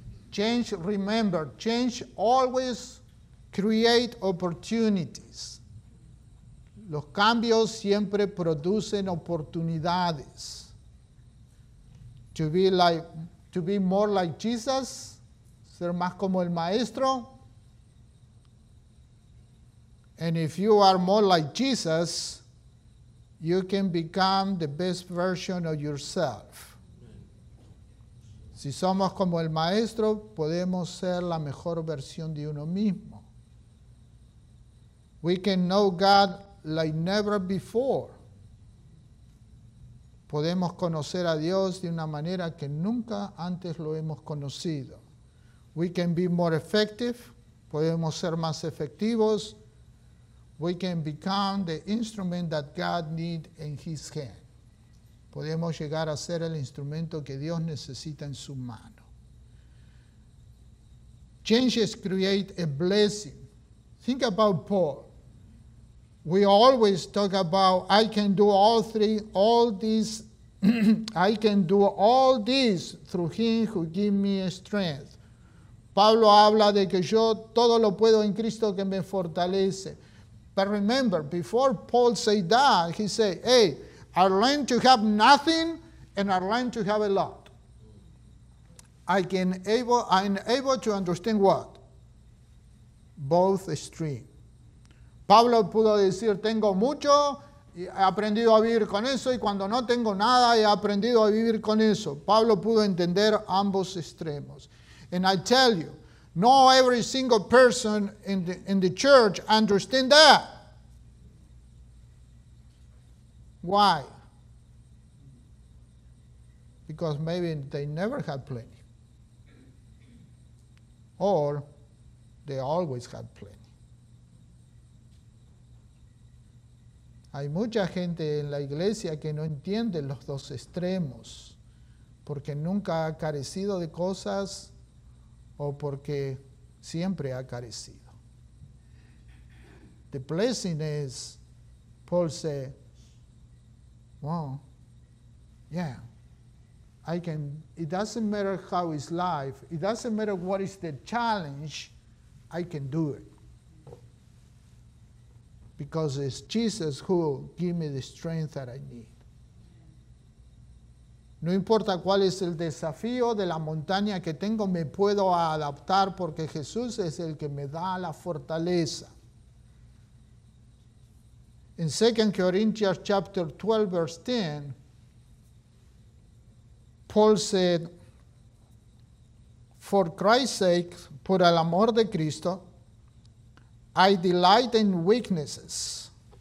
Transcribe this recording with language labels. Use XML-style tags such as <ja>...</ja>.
<en>Change, remember. Change always create opportunities.</en> <es>Los cambios siempre producen oportunidades.</es> <en>To be more like Jesus,</en> <es>ser más como el Maestro.</es> <en>And if you are more like Jesus, you can become the best version of yourself.</en> <es>Si somos como el Maestro, podemos ser la mejor versión de uno mismo.</es> <en>We can know God like never before.</en> <es>Podemos conocer a Dios de una manera que nunca antes lo hemos conocido.</es> <en>We can be more effective.</en> <es>Podemos ser más efectivos.</es> <en>We can become the instrument that God needs in His hand.</en> <es>Podemos llegar a ser el instrumento que Dios necesita en su mano.</es> <en>Changes create a blessing. Think about Paul. We always talk about, I can do all this. I can do all this through Him who gives me strength.</en> <es>Pablo habla de que yo todo lo puedo en Cristo que me fortalece.</es> <en>But remember, before Paul said that, he said, hey, I learned to have nothing and I learned to have a lot. I'm able to understand what? Both extremes.</en> <es>Pablo pudo decir, tengo mucho, he aprendido a vivir con eso, y cuando no tengo nada, he aprendido a vivir con eso. Pablo pudo entender ambos extremos.</es> <en>And I tell you, not every single person in the church understand that. Why? Because maybe they never had plenty. Or they always had plenty.</en> <es>Hay mucha gente en la iglesia que no entiende los dos extremos porque nunca ha carecido de cosas o porque siempre ha carecido.</es> <en>The blessing is, Paul said, well, yeah, I can, it doesn't matter how is life, it doesn't matter what is the challenge, I can do it. Because it's Jesus who gives me the strength that I need.</en> <es>No importa cuál es el desafío de la montaña que tengo, me puedo adaptar porque Jesús es el que me da la fortaleza.</es> <en>In 2 Corinthians chapter 12, verse 10, Paul said, for Christ's sake,</en> <es>por el amor de Cristo,</es> <en>I delight in weaknesses.</en>